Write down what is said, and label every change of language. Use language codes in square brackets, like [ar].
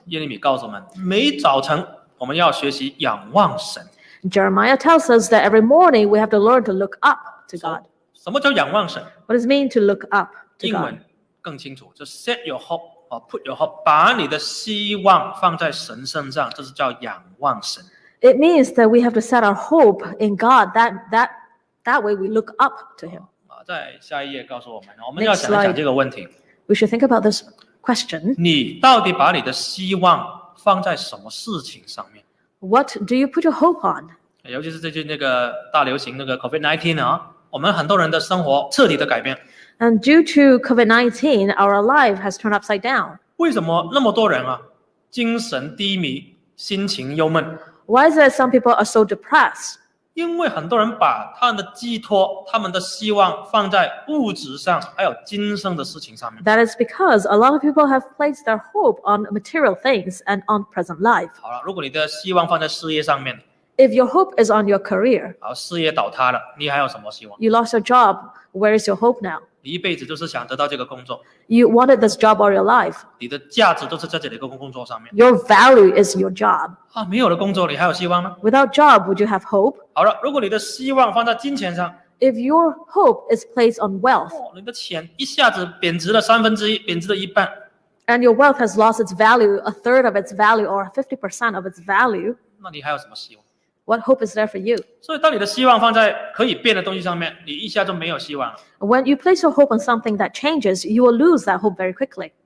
[zh] 耶利米告诉我们，每早晨我们要学习仰望神。 [en] Jeremiah tells us that every morning we have to learn to look up to God. [zh] 什么叫仰望神？ [en] What does it mean to look up to God? [zh] 英文更清楚，就 [en] set your hope. Put your hope, [zh] 把你的希望放在神身上，这是叫仰望神。 [en] It means that we have to set our hope in God. That way we look up to Him. [zh] 在下一页告诉我们，我们要想一想这个问题。 [en] We should think about this question. [zh] 你到底把你的希望放在什么事情上面？ [en] What do you put your hope on? [zh] 尤其是最近那个大流行那个 COVID-19 啊，我们很多人的生活彻底的改变。 [en] And due to COVID-19, our life has turned upside down. [zh] 为什么那么多人啊，精神低迷，心情忧闷？ [en] Why is it some people are so depressed? [zh] 因为很多人把他们的寄托、他们的希望放在物质上，还有今生的事情上面。 [en] That is because a lot of people have placed their hope on material things and on present life. [zh] 好了，如果你的希望放在事业上面。 [en] If your hope is on your career, [zh] 事业倒塌了，你还有什么希望？ [en] You lost your job. Where is your hope now? [zh] 你一辈子都是想得到这个工作。 [en] You wanted this job all your life. [zh] 你的价值都是在这里的工作上面。 [en] Your value is your job. [zh] 没有了工作，你还有希望吗？ [en] Without job, would you have hope? [zh] 好了，如果你的希望放在金钱上。 [en] If your hope is placed on wealth, [zh] 你的钱一下子贬值了三分之一，贬值了一半。 [en] And your wealth has lost its value, a third of its value, or 50% of its value. [zh] 那你还有什么希望？ [en] What hope is there for you? [zh] 所以，当你的希望放在可以变的东西上面，你一下就没有希望了。 [en] When you place your hope on something that changes, you will lose that hope very quickly.